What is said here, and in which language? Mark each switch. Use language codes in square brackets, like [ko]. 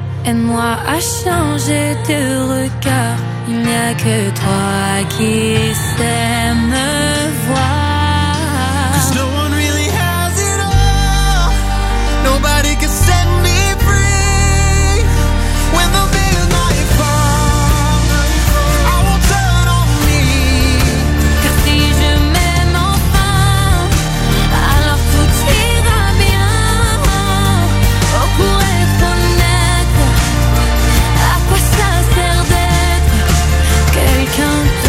[fr] Aide-moi à changer de regard. Il n'y a que toi qui sais me voir. [en] 'Cause no one really has it all. Nobody can set me free. When the midnight falls, I won't turn on me. [fr] Car si je m'aime enfin, alors tout ira bien. Oh, pour être honnête, à quoi ça sert d'être quelqu'un?